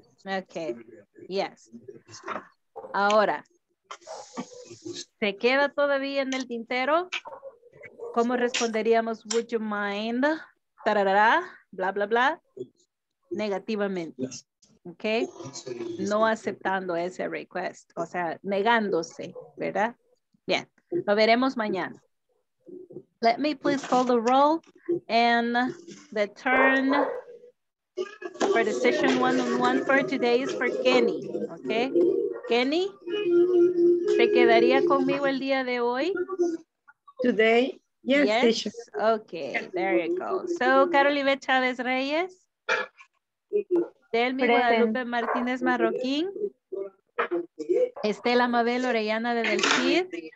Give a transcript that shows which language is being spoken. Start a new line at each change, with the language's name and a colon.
English: Okay. Yes.
Spanish: Ahora, ¿se queda todavía en el tintero? ¿Cómo responderíamos?
English: Would you mind? Tararara, bla, bla, bla.
Spanish: Negativamente, ok, no aceptando ese request, o sea, negándose, ¿verdad? Bien, lo veremos mañana.
English: Let me please call the roll and the turn for the session one-on-one for today is for Kenny, ok.
Spanish: Kenny, ¿te quedaría conmigo el día de hoy?
English: Today, yes, yes? Ok, there you go. So, Carolina Chavez Reyes. Delmi Guadalupe Martínez Marroquín. Estela Mabel Orellana de Del Cid.